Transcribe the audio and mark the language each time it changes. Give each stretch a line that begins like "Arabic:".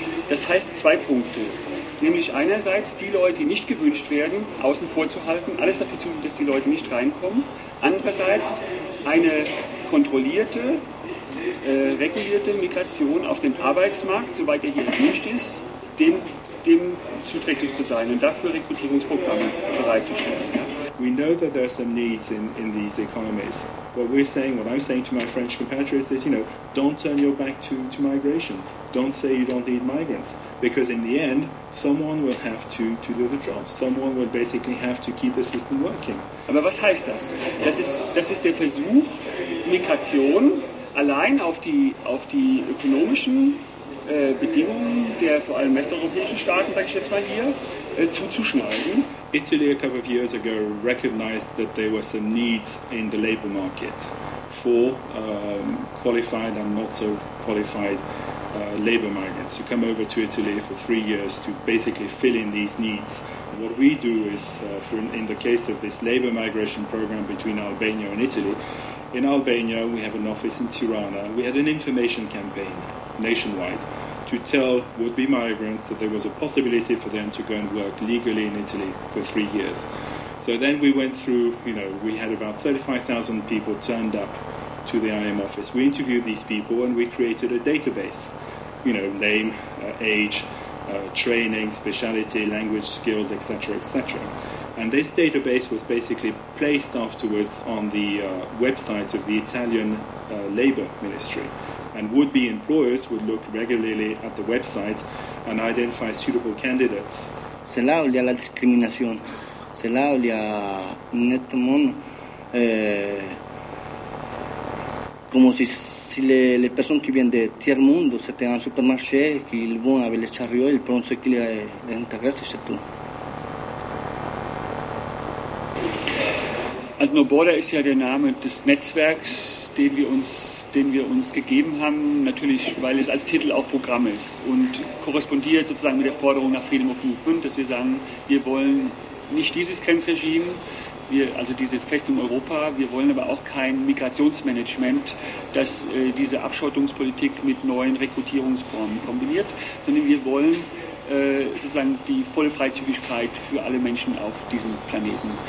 German: Das heißt 2 Punkte. Nämlich einerseits die Leute, die nicht gewünscht werden, außen vor zu halten, alles dafür zu tun, dass die Leute nicht reinkommen. Andererseits eine kontrollierte, regulierte Migration auf den Arbeitsmarkt, soweit er hier erwünscht ist, dem zuträglich zu sein und dafür Rekrutierungsprogramme bereitzustellen.
English: We know that there are some needs in these economies. What we're saying, what I'm saying to my French compatriots is, you know, don't turn your back to migration. Don't say you don't need migrants. Because in the end, someone will have to do the job. Someone will basically have to keep the system working.
German: Aber was heißt das? Das ist der Versuch, Migration allein auf die ökonomischen Bedingungen der vor allem westeuropäischen Staaten, sage ich jetzt mal hier, zuzuschneiden.
English: Italy a couple of years ago recognized that there were some needs in the labor market for qualified and not so qualified labor migrants to come over to Italy for 3 years to basically fill in these needs. What we do is, in the case of this labor migration program between Albania and Italy, in Albania we have an office in Tirana. We had an information campaign nationwide to tell would-be migrants that there was a possibility for them to go and work legally in Italy for 3 years. So then we went through, you know, we had about 35,000 people turned up to the IM office. We interviewed these people and we created a database, you know, name, age, training, speciality, language skills, etc., etc. And this database was basically placed afterwards on the website of the Italian Labour Ministry. And would-be employers would look regularly at the website and identify suitable candidates.
French: C'est là où il y a la discrimination. C'est là où il y a nettement, comme si les personnes qui viennent de tiers monde, c'était un supermarché, qu'ils vont avec les chariots, ils prennent ce qui les intéresse, c'est tout.
German: Also No Border ist ja der Name des Netzwerks, den wir uns gegeben haben, natürlich, weil es als Titel auch Programm ist und korrespondiert sozusagen mit der Forderung nach Freedom of Movement, dass wir sagen, wir wollen nicht dieses Grenzregime, also diese Festung Europa, wir wollen aber auch kein Migrationsmanagement, das diese Abschottungspolitik mit neuen Rekrutierungsformen kombiniert, sondern wir wollen sozusagen die volle Freizügigkeit für alle Menschen auf diesem Planeten.